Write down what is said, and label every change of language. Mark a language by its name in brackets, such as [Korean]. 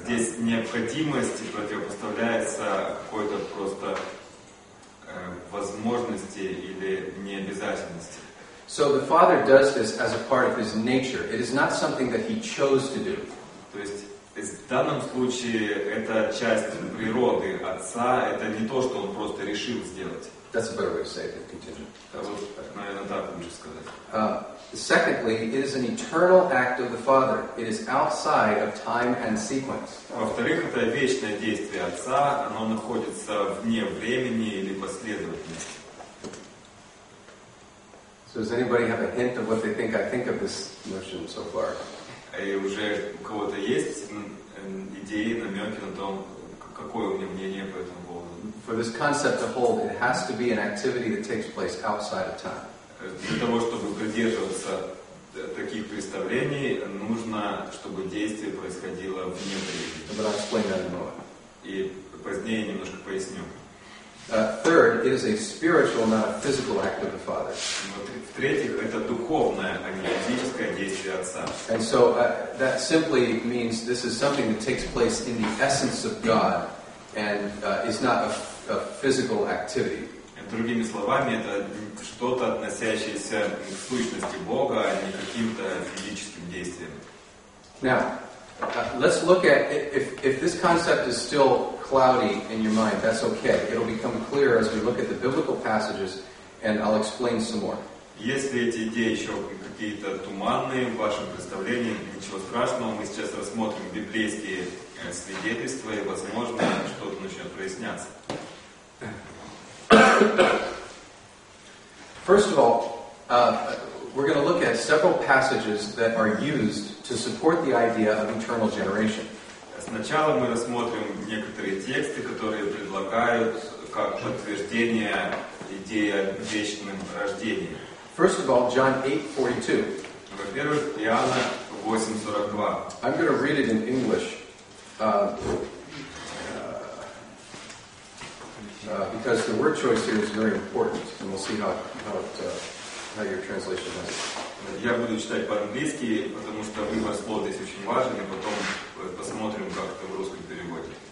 [Russian] Здесь необходимость противопоставляется какой-то просто возможности или необязательности. [English] So the Father does this as a part of His nature. It is not something that He chose to do. [Russian] То есть, в данном случае, это часть природы Отца, это не то, что Он просто решил сделать. [English] That's a better way to say it, than contingent. [Russian] Наверное, так лучше сказать. [English] Secondly, it is an eternal act of the Father. It is outside of time and sequence. [Russian] Во-вторых, это вечное действие Отца, оно находится вне времени или последовательности. [English] So does anybody have a hint of what they think I think of this notion so far? [Russian] И уже у кого-то есть идеи, намеки на том, какое у меня мнение по этому поводу? [English] For this concept to hold, it has to be an activity that takes place outside of time. [Russian] Для того, чтобы придерживаться таких представлений, нужно, чтобы действие происходило вне времени. [English] But I'll explain that in a moment. [Russian] И позднее немножко поясню. [English] Third, it is a spiritual, not a physical act of the Father. [Russian] В-третьих, это духовное, а не физическое действие Отца. [English] And so that simply means this is something that takes place in the essence of God and is not a physical activity. [Russian] Другими словами, это что-то, относящееся к сущности Бога, а не каким-то физическим действием. [English] Now, let's look at if this concept is still cloudy in your mind, that's okay. It'll become clear as we look at the biblical passages, and I'll explain some more. [Russian] Если эти идеи еще какие-то туманные в вашем представлении, ничего страшного, мы сейчас рассмотрим библейские свидетельства, и, возможно, что-то начнет проясняться. [English] First of all, we're going to look at several passages that are used to support the idea of eternal generation. [Russian] Сначала мы рассмотрим некоторые тексты, которые предлагают как подтверждение идеи о вечном рождении. [English] First of all, John 8:42. [Russian] Во-первых, Иоанна 8:42. [English] I'm going to read it in English. Because the word choice here is very important, and we'll see how your translation does. [Russian] Я буду читать по-английски, потому что выбор слов здесь очень важен, и потом посмотрим, как это в русском переводе.